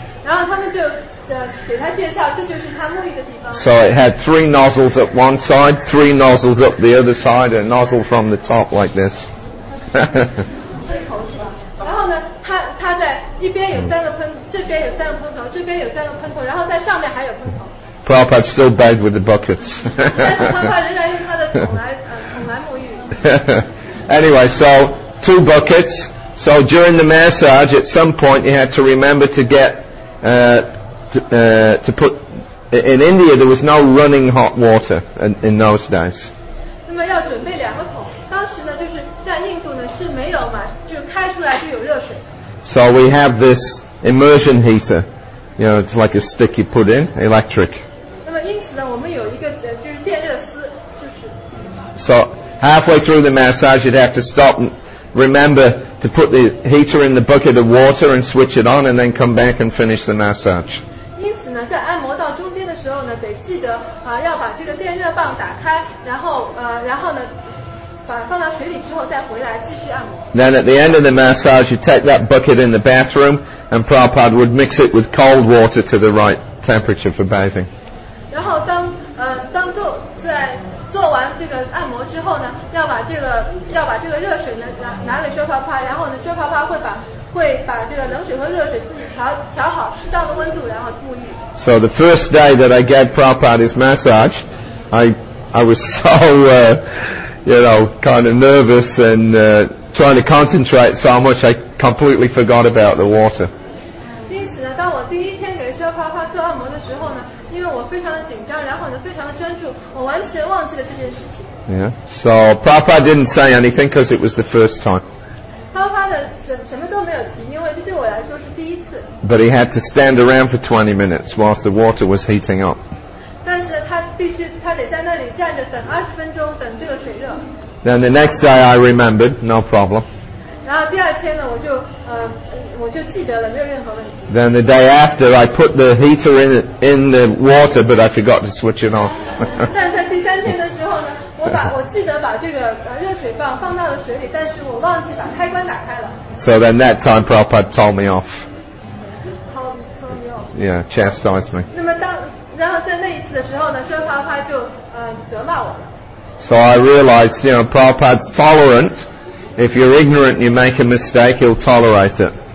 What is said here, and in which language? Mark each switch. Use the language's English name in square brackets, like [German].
[Chinese] 然后他们就给他介绍，这就是他沐浴的地方。 [English] So it had three nozzles at one side, three nozzles up the other side, a nozzle from the top like this. [Chinese] 然后呢，他在一边有三个喷，这边有三个喷头，这边有三个喷头，然后在上面还有喷头。 [English] Prabhupada still bathed with the buckets. [Chinese] 但是他仍然用他的桶来沐浴。 [English] Anyway, so two buckets. So during the massage, at some point, you had to remember to get, to put, in India, there was no running hot water in those days. [Chinese] 那么要准备两个桶。当时呢，就是在印度呢，是没有嘛，就开出来就有热水。 [English] So we have this immersion heater. You know, it's like a stick you put in, electric. [Chinese] 那么因此呢，我们有一个就是电热丝，就是。 [English] So,Halfway through the massage, you'd have to stop and remember to put the heater in the bucket of water and switch it on and then come back and finish the massage. [Chinese] 因此呢，在按摩到中间的时候呢，得记得啊，要把这个电热棒打开，然后呢，把放到水里之后再回来继续按摩。 [English] Then at the end of the massage, you'd take that bucket in the bathroom and Prabhupada would mix it with cold water to the right temperature for bathing. [Chinese] 然后当做在做完这个按摩之后呢，要把这个热水呢拿给修泡泡，然后呢修泡泡会把这个冷水和热水自己调好适当的温度，然后沐浴。 [English] So the first day that I get Prabhupada's massage, I was so you know kind of nervous and trying to concentrate so much I completely forgot about the water. [Chinese] 因此呢，当我第一天给修泡泡做按摩的时候呢。因为我非常的紧张，然后呢，非常的专注，我完全忘记了这件事情。 [English] Yeah. So Prabhupada didn't say anything because it was the first time. [Chinese] Prabhupada 什么都没有提，因为这对我来说是第一次。 [English] But he had to stand around for 20 minutes whilst the water was heating up. [Chinese] 但是他得在那里站着等20分钟，等这个水热。 [English] Then the next day I remembered, no problem. [Chinese] 然后第二天呢，我就记得了，没有任何问题。 [English] Then the day after, I put the heater in the water, but I forgot to switch it off. [Chinese] 但在第三天的时候呢，我记得把这个热水棒放到了水里，但是我忘记把开关打开了。 [English] So then that time, Prabhupada told me off. Told me off. Yeah, chastised me. [Chinese] 那么然后在那一次的时候呢，修泡泡就责骂我了。 [English] So I realized, you know, Prabhupada's tolerant. If you're ignorant, you make a mistake, he'll tolerate it.